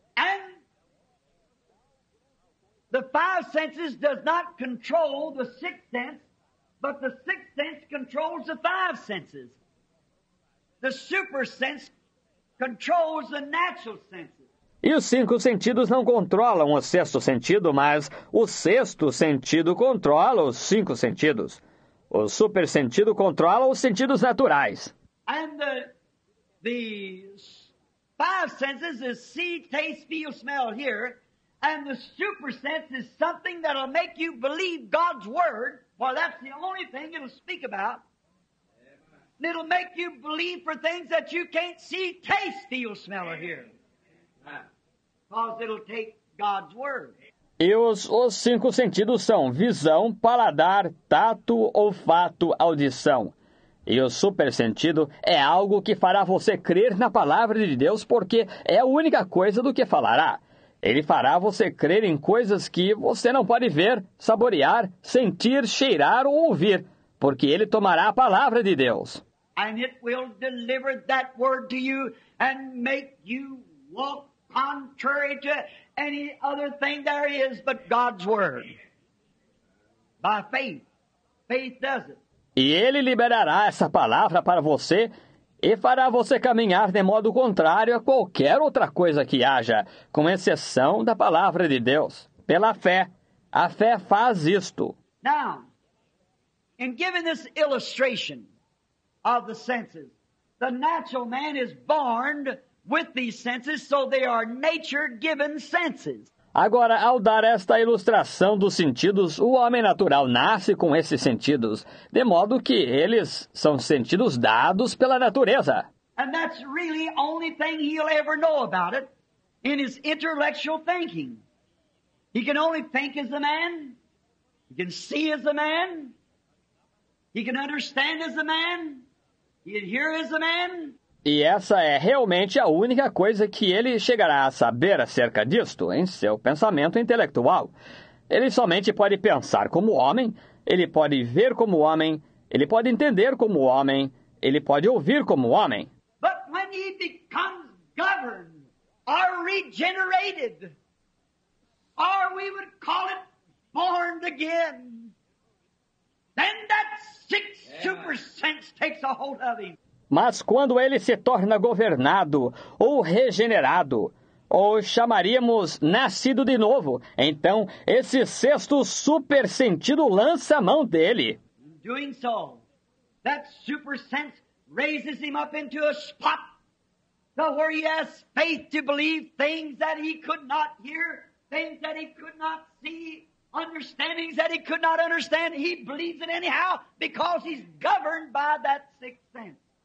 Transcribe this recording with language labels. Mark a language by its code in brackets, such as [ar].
[en] And the five senses does not control the sixth sense, but the sixth sense controls the five senses. The super sense controls the natural senses. [pt] E os cinco sentidos não controlam o sexto sentido, mas o sexto sentido controla os cinco sentidos. O super sentido controla os sentidos naturais. [en] And the five senses is see, taste, feel, smell, hear. And the super sense is something that'll make you believe God's word, for that's the only thing it'll speak about. It'll make you believe for things that you can't see, taste, feel, smell, or hear. Because it'll take God's word. [pt] E os cinco sentidos são visão, paladar, tato, olfato, audição. E o super sentido é algo que fará você crer na palavra de Deus, porque é a única coisa do que falará. Ele fará você crer em coisas que você não pode ver, saborear, sentir, cheirar ou ouvir, porque ele tomará a palavra de Deus. [en] And it will deliver that word to you and make you walk contrary to any other thing there is but God's word. By faith. Faith does it. [pt] E ele liberará essa palavra para você e fará você caminhar de modo contrário a qualquer outra coisa que haja, com exceção da palavra de Deus. Pela fé. A fé faz isto. [en] Now, in giving this illustration of the senses, the natural man is born with these senses, so they are nature-given senses. [pt] Agora, ao dar esta ilustração dos sentidos, o homem natural nasce com esses sentidos, de modo que eles são sentidos dados pela natureza. [en] And that's really the only thing he'll ever know about it in his intellectual thinking. He can only think as a man. He can see as a man. He can understand as a man. He'd hear as a man. [pt] E essa é realmente a única coisa que ele chegará a saber acerca disto em seu pensamento intelectual. Ele somente pode pensar como homem, ele pode ver como homem, ele pode entender como homem, ele pode ouvir como homem. [en] But when he becomes governed, or regenerated, or we would call it born again, then that sixth super sense takes a hold of him. [pt] Mas quando ele se torna governado ou regenerado, ou chamaríamos nascido de novo, então esse sexto super sentido lança a mão dele. [en] Doing so, that super sense raises him up into a spot where he has faith to believe things that he could not hear, things that he could not see, understandings that he could not understand. He believes it anyhow because he's governed by that sixth sense.